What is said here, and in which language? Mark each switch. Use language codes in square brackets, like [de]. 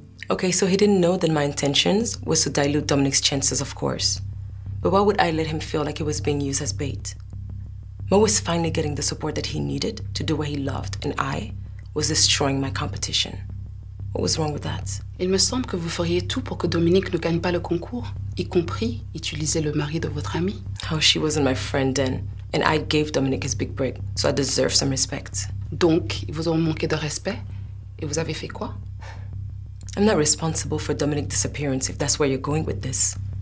[en] Okay, so he didn't know that my intentions was to dilute Dominic's chances, of course. But why would I let him feel like he was being used as bait? Mo was finally getting the support that he needed to do what he loved, and I was destroying my competition. What was wrong with that? [fr] Il me semble que vous feriez tout pour que Dominique ne gagne pas le concours, y compris utiliser le mari de votre ami. [en] Oh, she wasn't my friend then, and I gave Dominique his big break, so I deserve some respect. [fr] Donc, ils vous ont manqué de respect, et vous avez fait quoi? [en] I'm not responsible for Dominique's disappearance, if that's where you're going with this.